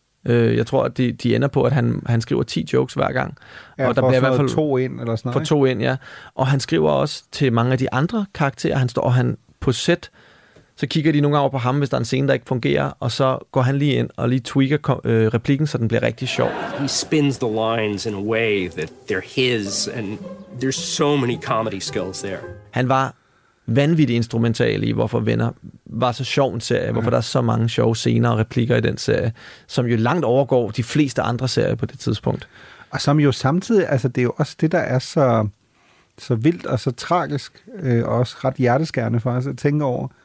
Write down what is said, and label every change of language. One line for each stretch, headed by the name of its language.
Danish: Jeg tror, at de ender på, at han skriver 10 jokes hver gang. Ja, og der bliver i hvert fald to ind, eller sådan noget. For to ind, ja. Og han skriver også til mange af de andre karakterer. Han står på set. Så kigger de nogle gange over på ham, hvis der er en scene, der ikke fungerer, og så går han lige ind og lige tweaker replikken, så den bliver rigtig sjov.
English: He spins the lines in a way that they're his, and there's so many comedy skills there.
Danish: Han var vanvittigt instrumental i, hvorfor Venner var så sjov en serie, hvorfor der er så mange sjove scener og replikker i den serie, som jo langt overgår de fleste andre serier på det tidspunkt. Og som jo samtidig, altså det er jo også det, der er så vildt og så tragisk, og også ret hjerteskærende for os at tænke over.